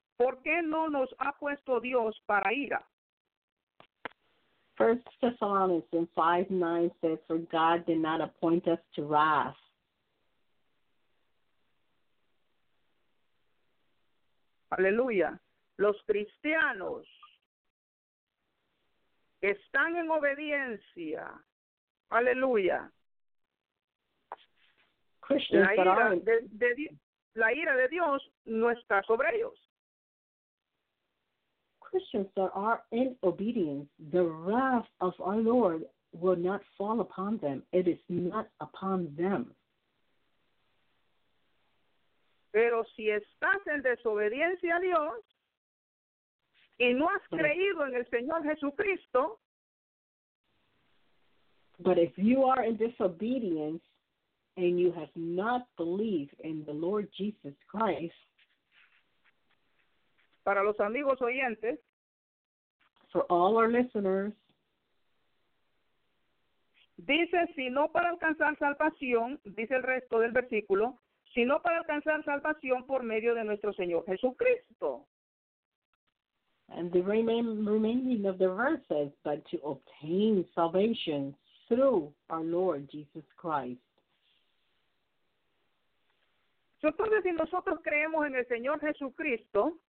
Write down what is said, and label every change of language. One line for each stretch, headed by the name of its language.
Spanish: ¿Por qué no nos ha puesto Dios para ira?
English: 1 Thessalonians 5, 9 says, for God did not appoint us to wrath.
Spanish: Aleluya. Los cristianos están en obediencia. Aleluya.
English: Christians,
Spanish: la ira de Dios no está sobre ellos.
English: Christians that are in obedience, the wrath of our Lord will not fall upon them. It is not upon them.
Spanish: Pero si estás en desobediencia a Dios y no has creído en el Señor Jesucristo.
English: But if you are in disobedience and you have not believed in the Lord Jesus Christ.
Spanish: Para los amigos oyentes.
English: For all our listeners.
Spanish: Dice, si no para alcanzar salvación, dice el resto del versículo, sino para alcanzar salvación por medio de nuestro Señor Jesucristo.
English: And the remaining of the verse says, but to obtain salvation through our Lord Jesus Christ.
Spanish: Entonces, si nosotros creemos en el Señor Jesucristo,